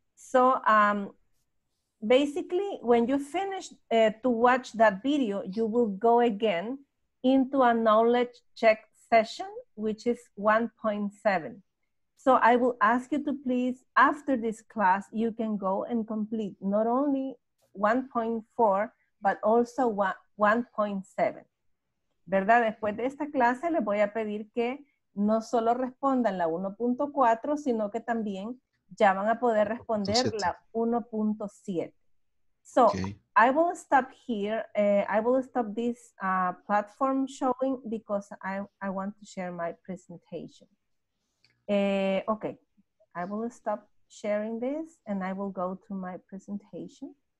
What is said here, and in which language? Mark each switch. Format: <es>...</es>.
<en>So basically, when you finish to watch that video, you will go again into a knowledge check session, which is 1.7. So I will ask you to please, after this class, you can go and complete not only 1.4, but also 1.7.</en> <es>¿Verdad? Después de esta clase, les voy a pedir que no solo respondan la 1.4, sino que también ya van a poder responder 7.</es> <en>La 1.7. So, okay. I will stop here. I will stop this platform showing because I want to share my presentation. Okay, I will stop sharing this and I will go to my presentation.</en>